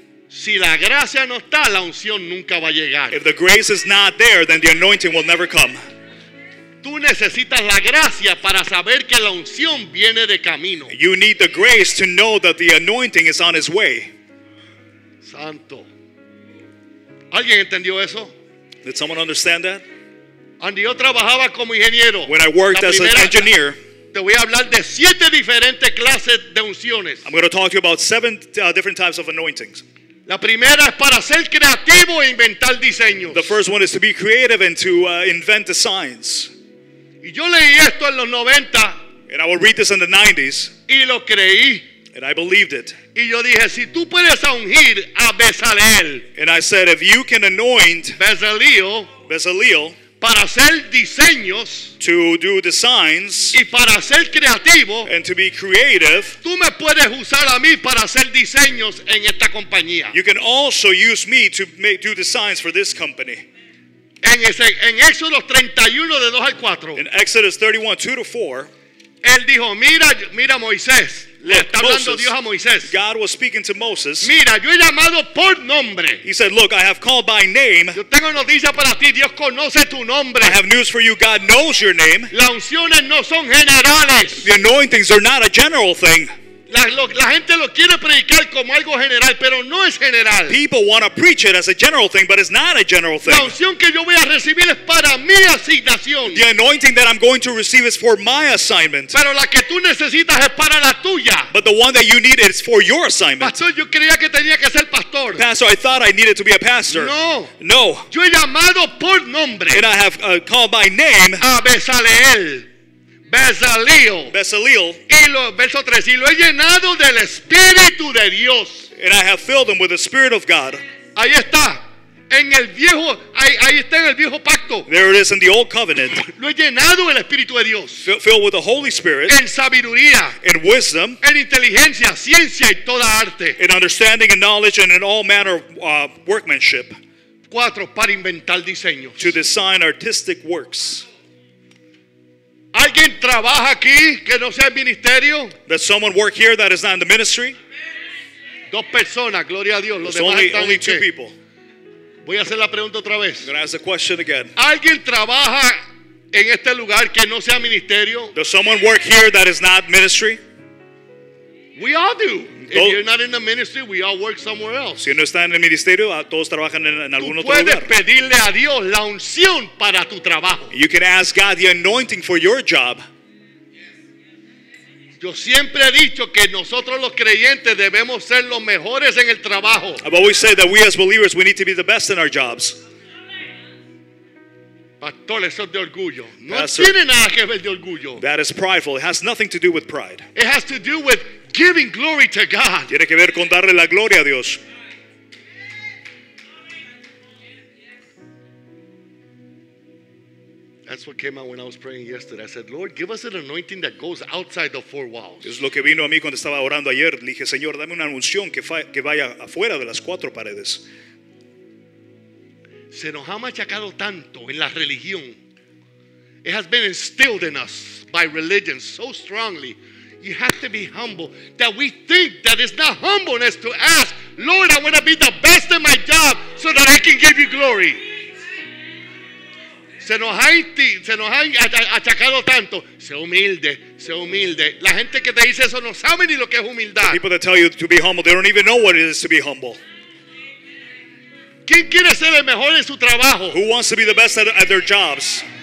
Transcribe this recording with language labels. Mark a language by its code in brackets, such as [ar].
[es] Si la gracia no está, la unción nunca va a llegar. [en] If the grace is not there, then the anointing will never come. [es] Tú necesitas la gracia para saber que la unción viene de camino. [en] You need the grace to know that the anointing is on its way. [es] Santo. ¿Alguien entendió eso? [en] Did someone understand that? [es] Cuando yo trabajaba como ingeniero, [en] when I worked as an engineer, [es] te voy a hablar de siete diferentes clases de unciones. [en] I'm going to talk to you about seven different types of anointings. [es] La primera es para ser creativo e inventar diseños. [en] The first one is to be creative and to invent designs. [es] Y yo leí esto en los 90. [en] And I will read this in the 90s. [es] Y lo creí. [en] And I believed it. [es] Y yo dije, si tú puedes ungir a Bezalel. [en] And I said, if you can anoint [es] Bezalel para hacer diseños, [en] to do designs, [es] y para ser creativo, [en] and to be creative, [es] tú me puedes usar a mí para hacer diseños en esta compañía. [en] You can also use me to make, do designs for this company. [es] En Éxodo 31, de 2 al 4, [en] in Exodus 31, 2 to 4, [es] él dijo, mira Moisés. Le está hablando Dios a Moisés. [en] God was speaking to Moses. [es] Mira, yo he llamado por nombre. [en] He said, look, I have called by name. [es] Yo tengo noticia para ti. Dios conoce tu nombre. [en] I have news for you. God knows your name. [es] Las unciones no son generales. [en] The anointings are not a general thing. [es] La gente lo quiere predicar como algo general, pero no es general. [en] People want to preach it as a general thing, but it's not a general thing. [es] La unción que yo voy a recibir es para mi asignación. [en] The anointing that I'm going to receive is for my assignment. [es] Pero la que tú necesitas es para la tuya. [en] But the one that you need is for your assignment. [es] Pastor, yo creía que tenía que ser pastor. [en] Pastor, I thought I needed to be a pastor. [es] No. [en] No. [es] Yo he llamado por nombre. [en] And I have called by name. [es] A Bezalel. Bezalel. Y lo, verso 3, y lo he llenado del Espíritu de Dios. [en] And I have filled him with the Spirit of God. [es] Ahí está. En el viejo, ahí está en el viejo pacto. [en] There it is in the old covenant. [es] Lo he llenado del Espíritu de Dios. [en] Filled with the Holy Spirit. [es] En sabiduría. [en] In wisdom. [es] En inteligencia, ciencia y toda arte. [en] In understanding and knowledge and in all manner of workmanship. [es] 4, para inventar diseños. [en] To design artistic works. [es] ¿Alguien trabaja aquí que no sea el ministerio? [en] Does someone work here that is not in the ministry? [es] Dos personas, gloria a Dios. Los demás están [en] only two people. [es] Voy a hacer la pregunta otra vez. [en] I'm going to ask the question again. [es] ¿Alguien trabaja en este lugar que no sea ministerio? [en] Does someone work here that is not ministry? We all do. If you're not in the ministry, we all work somewhere else. [es] Si no está en el ministerio, todos trabajan en algún otro lugar. Puedes pedirle a Dios la unción para tu trabajo. [en] You can ask God the anointing for your job. [es] Yo siempre he dicho que nosotros los creyentes debemos ser los mejores en el trabajo. [en] I've always said that we as believers we need to be the best in our jobs. [es] Pastor, eso es de orgullo. No tiene nada que ver de orgullo. [en] That is prideful. It has nothing to do with pride. It has to do with giving glory to God. [es] Tiene que ver con darle la gloria a Dios. [en] That's what came out when I was praying yesterday. I said, Lord, give us an anointing that goes outside the four walls. [es] Es lo que vino a mí cuando estaba orando ayer. Le dije, Señor, dame una unción que vaya afuera de las cuatro paredes. Se nos ha machacado tanto en la religión. [en] It has been instilled in us by religion so strongly. You have to be humble. That we think that it's not humbleness to ask, Lord, I want to be the best in my job so that I can give you glory. [es] Se nos ha achacado tanto. Sé humilde. La gente que te dice eso no sabe ni lo que es humildad. [en] The people that tell you to be humble, they don't even know what it is to be humble. [es] ¿Quién quiere ser el mejor en su trabajo? [en] Who wants to be the best at their jobs?